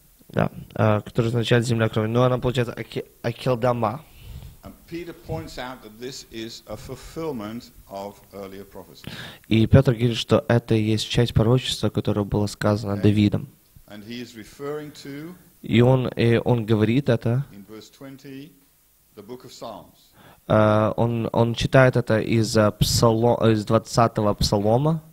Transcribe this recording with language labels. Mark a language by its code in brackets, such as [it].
[ru] Да, который означает земля крови. Но она получается Акелдама. [en] And Peter points out that this is a fulfillment of earlier prophecy. [ru] И Петр говорит, что это и есть часть пророчества, которое было сказано Давидом. [en] And he is referring to. [ru] И он говорит это. [en] In verse 20, the book of Psalms. [ru] Он читает это из 20-го псалома.